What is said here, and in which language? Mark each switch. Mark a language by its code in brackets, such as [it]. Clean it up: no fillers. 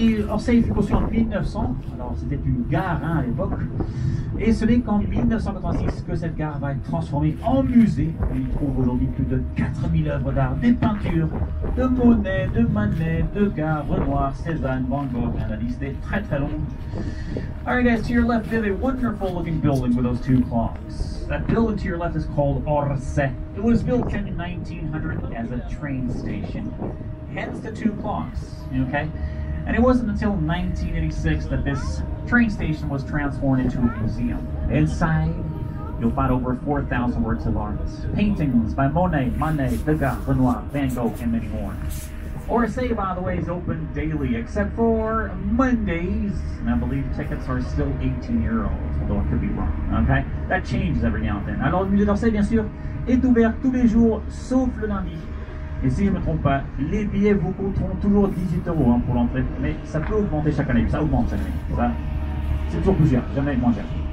[fr] Orsay fut construit en 1900, alors c'était une gare, hein, à l'époque. Et ce n'est qu'en 1986 que cette gare va être transformée en musée. Il trouve aujourd'hui plus de 4000 œuvres d'art, des peintures de Monet, de Manet, Degas, Renoir, Cézanne, Van Gogh. La liste est très très longue. [en] Alright guys, to your left, there's a wonderful looking building with those two clocks. That building to your left is called Orsay. It was built in 1900 as a train station. hence the two clocks, okay? And it wasn't until 1986 that this train station was transformed into a museum. Inside, you'll find over 4,000 works of art. Paintings by Monet, Manet, Degas, Renoir, Van Gogh, and many more. Orsay, by the way, is open daily, except for Mondays. And I believe tickets are still 18 euros, although I could be wrong, okay? That changes every now and then. [fr] Alors, le musée d'Orsay, bien sûr, est ouvert tous les jours, sauf le lundi. Et si je ne me trompe pas, les billets vous coûteront toujours 18 euros hein, pour l'entrée. Mais ça peut augmenter chaque année, ça augmente chaque année. Ça, c'est toujours plus cher, jamais moins cher.